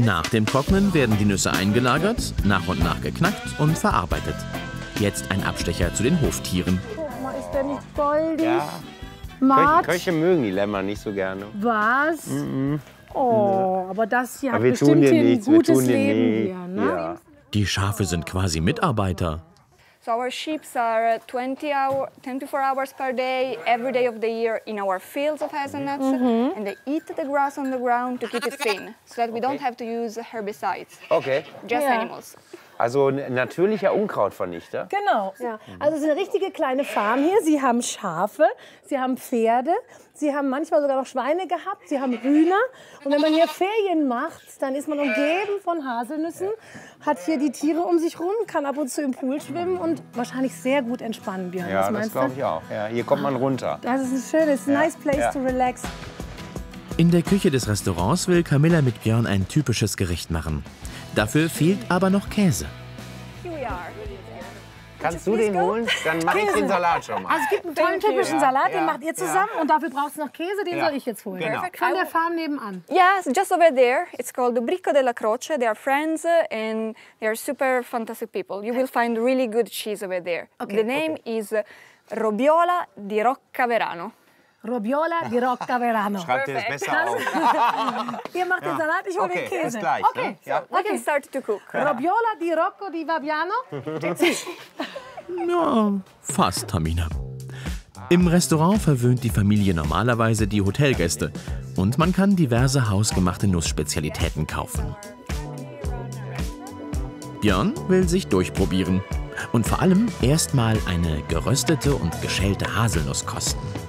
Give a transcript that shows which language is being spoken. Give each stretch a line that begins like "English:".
German: Nach dem Trocknen werden die Nüsse eingelagert, nach und nach geknackt und verarbeitet. Jetzt ein Abstecher zu den Hoftieren. Guck mal, ist der nicht goldig? Ja. Matt. Köche mögen die Lämmer nicht so gerne. Was? Mm-mm. Oh, aber das hier aber hat bestimmt hier ein nichts. Gutes Leben hier, ne? Ja. Die Schafe sind quasi Mitarbeiter.
English: So our sheep are 24 hours per day, every day of the year in our fields of hazelnuts. Mm-hmm. And they eat the grass on the ground to keep it thin, so that we don't have to use herbicides. Okay. Just animals.
German: Also ein natürlicher Unkrautvernichter. Genau. Ja. Also es ist eine richtige kleine Farm hier. Sie haben Schafe, sie haben Pferde, sie haben manchmal sogar noch Schweine gehabt, sie haben Hühner. Und wenn man hier Ferien macht, dann ist man umgeben von Haselnüssen, hat hier die Tiere um sich rum, kann ab und zu im Pool schwimmen und wahrscheinlich sehr gut entspannen, Björn. Ja, das glaube ich auch. Ja, hier kommt man runter. Das ist ein schönes,
English: nice place to relax.
German: In der Küche des Restaurants will Camilla mit Björn ein typisches Gericht machen. Dafür fehlt aber noch Käse.
English: Here we are.
German: Kannst du den holen? Dann mache ich den Salat schon mal. Also es gibt einen tollen typischen Salat, den macht ihr zusammen. Ja. Und dafür brauchst du noch Käse, den soll ich jetzt holen. Genau. Von der Farm nebenan.
English: Yes, just over there. It's called Ubrico della Croce. They are friends and they are super fantastic people. You will find really good cheese over there. Okay. The name is Robiola di Roccaverano. Robiola di Roccaverano.
German: Schreibt ihr das besser auf. Ihr macht den Salat, ich hole den Käse. Okay, bis gleich.
English: Okay, so, okay. We can start to cook.
German: Robiola di Rocco di Vabiano. Ja, fast, Tamina. Im Restaurant verwöhnt die Familie normalerweise die Hotelgäste. Und man kann diverse hausgemachte Nussspezialitäten kaufen. Björn will sich durchprobieren. Und vor allem erstmal eine geröstete und geschälte Haselnuss kosten.